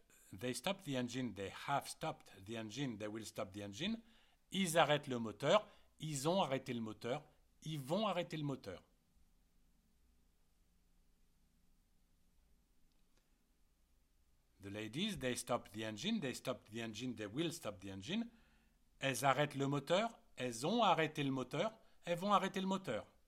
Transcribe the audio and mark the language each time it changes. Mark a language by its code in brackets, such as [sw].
[en] They stopped the engine, they have stopped the engine, they will stop the engine. [fr] Ils arrêtent le moteur, ils ont arrêté le moteur, ils vont arrêter le moteur. [en] The ladies, they stop the engine, they stop the engine, they will stop the engine. [fr] Elles arrêtent le moteur, elles ont arrêté le moteur, elles vont arrêter le moteur.